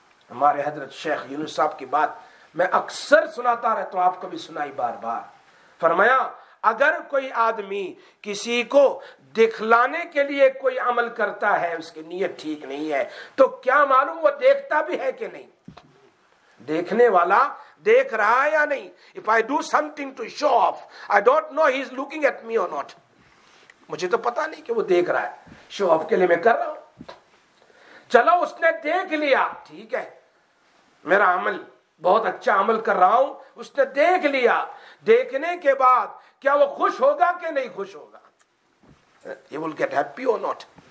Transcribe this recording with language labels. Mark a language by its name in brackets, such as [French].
[Urdu] ہمارے حضرت شیخ یونس صاحب کی بات میں اکثر سناتا رہتا ہوں, آپ کو بھی سنائی بار بار. فرمایا اگر کوئی آدمی کسی کو دکھلانے کے لیے کوئی عمل کرتا ہے, اس کی نیت ٹھیک نہیں ہے, تو کیا معلوم وہ دیکھتا بھی ہے کہ نہیں, دیکھنے والا دیکھ رہا یا نہیں. [English] If I do something to show off, I don't know he is looking at me or not. [Urdu] مجھے تو پتا نہیں کہ وہ دیکھ رہا ہے, شو آف کے لیے میں کر رہا ہوں. چلو اس نے دیکھ لیا, ٹھیک ہے میرا عمل بہت اچھا عمل کر رہا ہوں, اس نے دیکھ لیا. دیکھنے کے بعد کیا وہ خوش ہوگا کہ نہیں خوش ہوگا, [English] he will get happy or not.